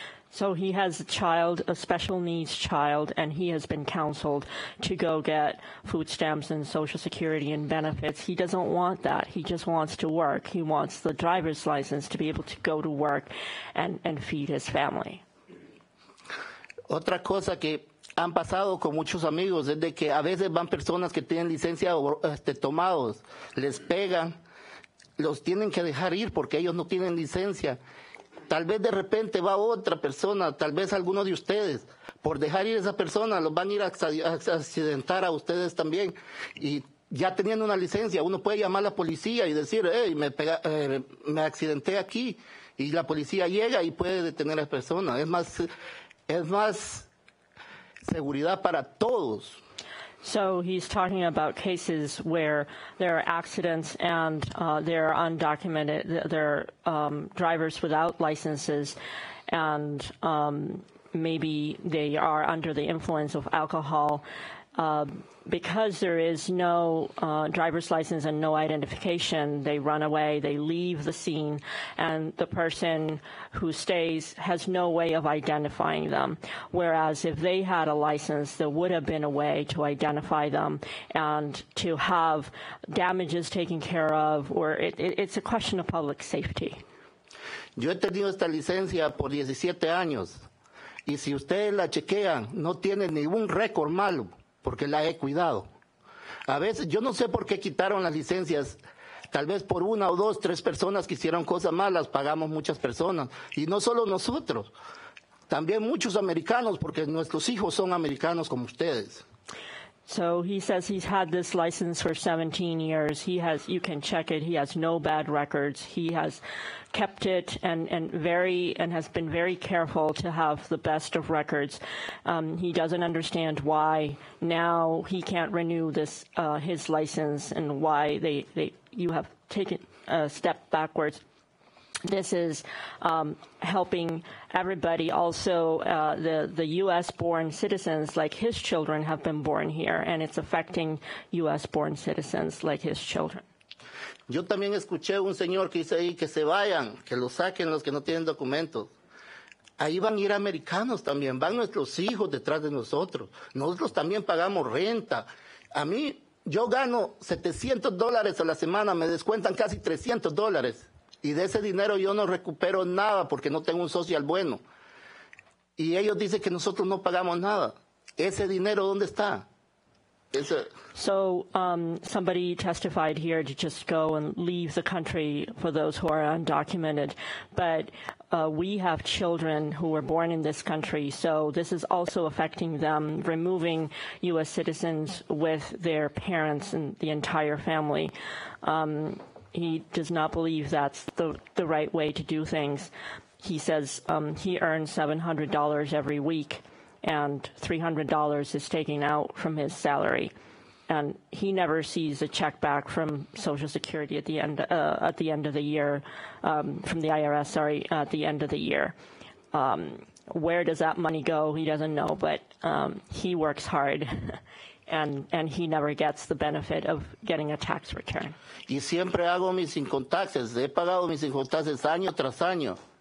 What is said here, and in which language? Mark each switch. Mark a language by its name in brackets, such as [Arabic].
[English] So he has a child, a special needs child, and he has been counseled to go get food stamps and Social Security and benefits. He doesn't want that. He just wants to work. He wants the driver's license to be able to go to work and feed his family. [Spanish] Otra cosa que han pasado con muchos amigos es de que a veces van personas que tienen licencia tomados, les pegan, los tienen que dejar ir porque ellos no tienen licencia. Tal vez de repente va otra persona, tal vez alguno de ustedes, por dejar ir a esa persona, los van a ir a accidentar a ustedes también. Y ya teniendo una licencia, uno puede llamar a la policía y decir, hey, me accidenté aquí. Y la policía llega y puede detener a la persona. Es más seguridad para todos. [English] So he's talking about cases where there are accidents and there are undocumented, there are drivers without licenses, and maybe they are under the influence of alcohol. Because there is no driver's license and no identification, they run away, they leave the scene, and the person who stays has no way of identifying them. Whereas if they had a license, there would have been a way to identify them and to have damages taken care of, or it's a question of public safety. [Spanish] Yo he tenido esta licencia por 17 años, y si ustedes la chequean, no tiene ningún récord malo. Porque la he cuidado. A veces, yo no sé por qué quitaron las licencias. Tal vez por una o dos, tres personas que hicieron cosas malas, pagamos muchas personas. Y no solo nosotros, también muchos americanos, porque nuestros hijos son americanos como ustedes. [English] So he says he's had this license for 17 years. He has, you can check it, he has no bad records. He has kept it and has been very careful to have the best of records. He doesn't understand why now he can't renew this his license and why they you have taken a step backwards. This is helping everybody. Also, the U.S.-born citizens, like his children, have been born here, and it's affecting U.S.-born citizens, like his children. [Spanish] Yo también escuché un señor que dice ahí que se vayan, que los saquen los que no tienen documentos. Ahí van a ir americanos también, van nuestros hijos detrás de nosotros. Nosotros también pagamos renta. A mí, yo gano $700 a la semana, me descuentan casi $300. Y de ese dinero yo no recupero nada porque no tengo un social bueno. Y ellos dicen que nosotros no pagamos nada. ¿Ese dinero dónde está? [English] So somebody testified here to just go and leave the country for those who are undocumented. But we have children who were born in this country, so this is also affecting them, removing U.S. citizens with their parents and the entire family. He does not believe that's the right way to do things. He says he earns $700 every week, and $300 is taken out from his salary. And he never sees a check back from Social Security at the end of the year. Where does that money go? He doesn't know, but he works hard. And he never gets the benefit of getting a tax return. [Spanish] Y siempre hago mis income taxes. He pagado mis income taxes año tras año.